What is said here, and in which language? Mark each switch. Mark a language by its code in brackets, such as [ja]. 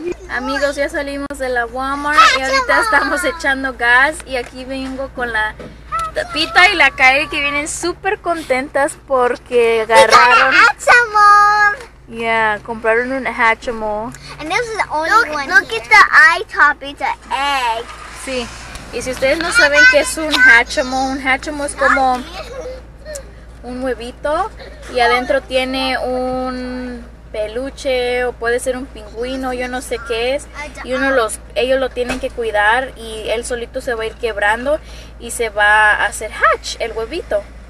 [es] Amigos, ya salimos de la Walmart y ahorita estamos echando gas y aquí vengo con la Tapita y la Kaeli que vienen súper contentas porque agarraron Hatchimal. Yeah, compraron un Hatchimal. [en] And this is the only one. Look at the eye top, it's an egg. [es] Sí. Y si ustedes no saben qué es un Hatchimal es como un huevito y adentro tiene un peluche o puede ser un pingüino, yo no sé qué es, y uno los ellos lo tienen que cuidar y él solito se va a ir quebrando y se va a hacer hatch el huevito.